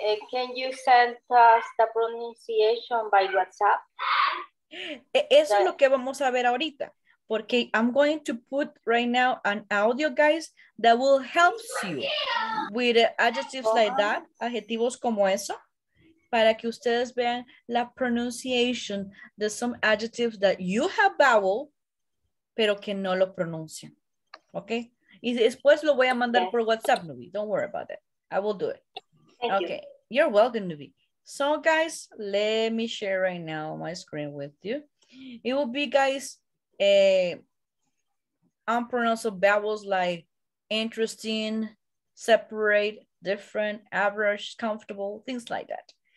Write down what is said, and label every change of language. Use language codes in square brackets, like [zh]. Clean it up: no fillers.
[en] Can you send us the pronunciation by WhatsApp? [es] Eso es lo que vamos a ver ahorita. Porque [en] I'm going to put right now an audio, guys, that will help you with adjectives like that, [es] adjetivos como eso, para que ustedes vean la [en] pronunciation de some adjectives that you have vowel, [es] pero que no lo pronuncian. [en] Okay? [es] Y después lo voy a mandar por WhatsApp, Nubi. [en] Don't worry about that. I will do it. Thank okay. You. You're welcome, Nubi. So, guys, let me share right now my screen with you. It will be, guys, unpronounceable vowels like interesting, separate, different, average, comfortable, things like that.